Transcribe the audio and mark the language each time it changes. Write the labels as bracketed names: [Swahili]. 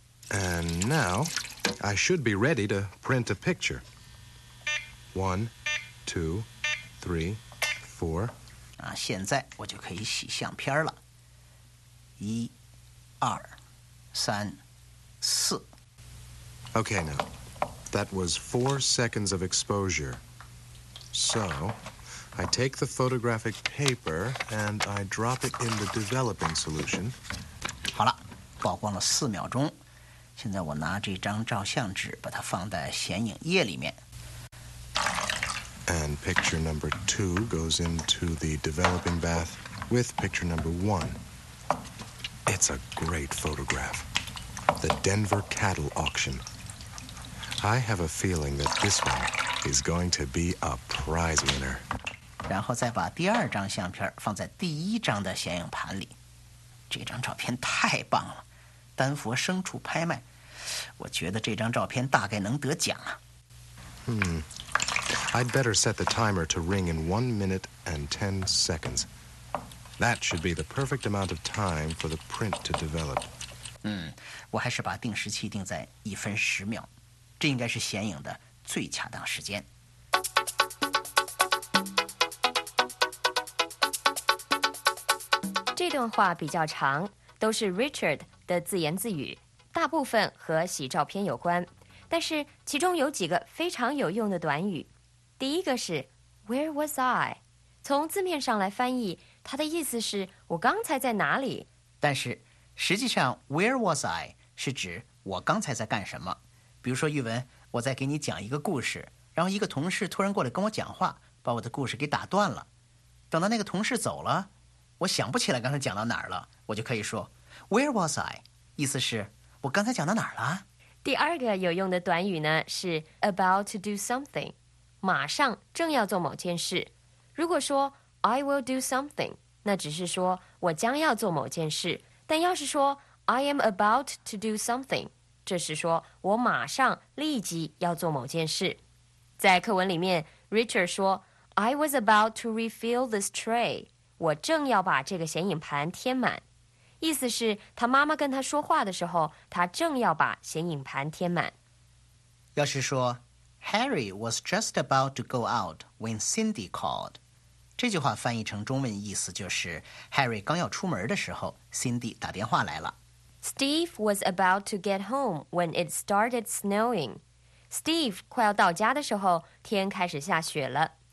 [English] And now, I should be ready to print a picture. One, two, three, four. [Chinese] 啊，现在我就可以洗相片了。一、二、三、四。 [English] Okay, now, that was 4 seconds of exposure. So, I take the photographic paper and I drop it in the developing solution. [Chinese] 好了，曝光了4秒钟。现在我拿这张照相纸，把它放在显影液里面。 [English] And picture number two goes into the developing bath with picture number one. It's a great photograph. The Denver cattle auction. I have a feeling that this one is going to be a prize winner. [Chinese] 然后再把第二张相片放在第一张的显影盘里。这张照片太棒了，丹佛牲畜拍卖，我觉得这张照片大概能得奖啊。 [English] I'd better set the timer to ring in 1 minute and 10 seconds. That should be the perfect amount of time for the print to develop. [Chinese] 我还是把定时器定在1分10秒。这应该是显影的最恰当时间。这段话比较长，都是 Richard 的自言自语，大部分和洗照片有关，但是其中有几个非常有用的短语。第一个是 [English] Where was I? [Chinese] 从字面上来翻译，它的意思是我刚才在哪里。但是实际上 [English] Where was I? [Chinese] 是指我刚才在干什么。比如说玉文，我在给你讲一个故事，然后一个同事突然过来跟我讲话，把我的故事给打断了。等到那个同事走了，我想不起来刚才讲到哪儿了，我就可以说 [English] Where was I? [Chinese] 意思是我刚才讲到哪儿了。第二个有用的短语呢是 [English] about to do something， [Chinese] 马上正要做某件事。如果说 [English] I will do something， [Chinese] 那只是说我将要做某件事，但要是说 [English] I am about to do something， [Chinese] 这是说我马上立即要做某件事。在课文里面 Richard 说 [English] I was about to refill this tray， [Chinese] 我正要把这个显影盘填满，意思是他妈妈跟他说话的时候，他正要把显影盘填满。要是说 [English] Harry was just about to go out when Cindy called， [Chinese] 这句话翻译成中文意思就是 Harry 刚要出门的时候 Cindy 打电话来了。 [English] Steve was about to get home when it started snowing. [Chinese] Steve 快要到家的时候，天开始下雪了。